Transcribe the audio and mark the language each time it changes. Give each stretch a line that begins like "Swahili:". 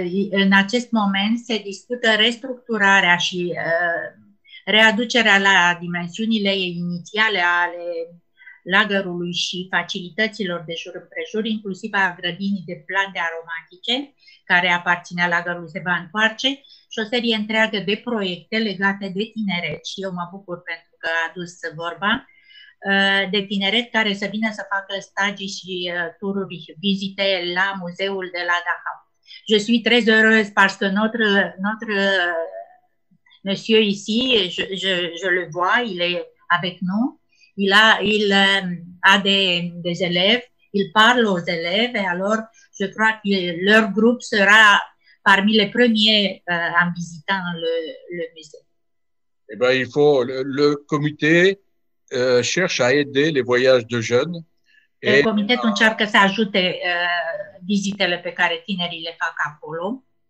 Romanian: În acest moment se discută restructurarea și readucerea la dimensiunile inițiale ale lagărului și facilităților de jur împrejur, inclusiv a grădinii de plante aromatice care aparținea lagărului, se va întoarce și o serie întreagă de proiecte legate de tineret și eu mă bucur pentru că a adus vorba de tineret care să vină să facă stagii și tururi, vizite la muzeul de la Dachau.
French: Je suis très heureuse parce que notre monsieur ici, je le vois, il est avec nous, il a des élèves, il parle aux élèves, et alors je crois que leur groupe sera parmi les premiers en visitant le musée. Eh bien, il faut le comité cherche à aider les voyages de jeunes.
Romanian: Et comitetul încearcă să ajute vizitele pe care tinerii le fac acolo.